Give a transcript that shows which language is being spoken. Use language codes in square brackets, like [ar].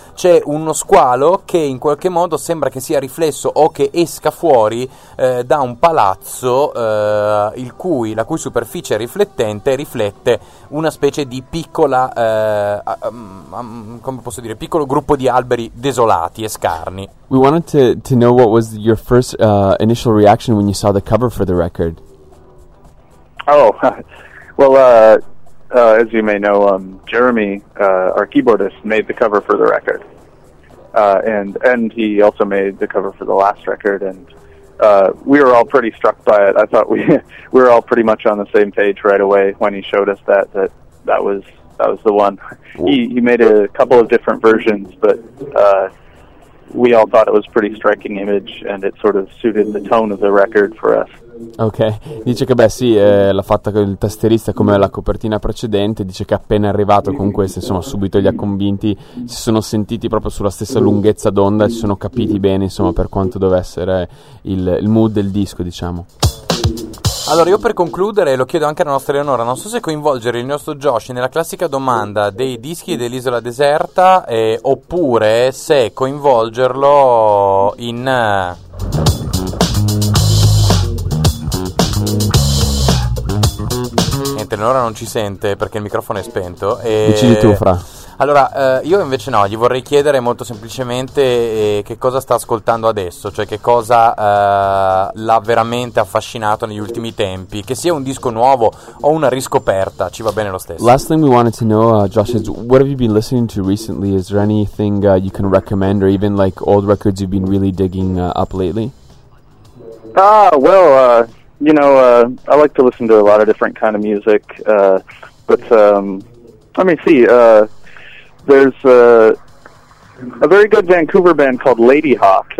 [it] C'è uno squalo che in qualche modo sembra che sia riflesso o che esca fuori da un palazzo la cui superficie riflettente riflette una specie di piccola come posso dire, piccolo gruppo di alberi desolati e scarni. [en] We wanted to know what was your first initial reaction when you saw the cover for the record. Oh, well, as you may know, Jeremy, our keyboardist, made the cover for the record. And he also made the cover for the last record, and we were all pretty struck by it. I thought we were all pretty much on the same page right away when he showed us that was the one. He made a couple of different versions, but we all thought it was a pretty striking image, and it sort of suited the tone of the record for us. [it] Ok, dice che beh sì, l'ha fatta il tastierista come la copertina precedente. Dice che appena arrivato con questo, insomma, subito li ha convinti, si sono sentiti proprio sulla stessa lunghezza d'onda e si sono capiti bene, insomma, per quanto deve essere il mood del disco, diciamo. Allora, io per concludere lo chiedo anche alla nostra Eleonora, non so se coinvolgere il nostro Josh nella classica domanda dei dischi dell'Isola Deserta oppure se coinvolgerlo in... Niente, sentire, ora non ci sente perché il microfono è spento. E... decidi tu, Fra. Allora, io invece no, gli vorrei chiedere molto semplicemente che cosa sta ascoltando adesso, cioè che cosa l'ha veramente affascinato negli ultimi tempi, che sia un disco nuovo o una riscoperta, ci va bene lo stesso. [en] Last thing we wanted to know, Josh, is what have you been listening to recently? Is there anything you can recommend or even like old records you've been really digging up lately? Ah, well, you know, I like to listen to a lot of different kind of music, but let me see, there's a very good Vancouver band called Lady Hawk.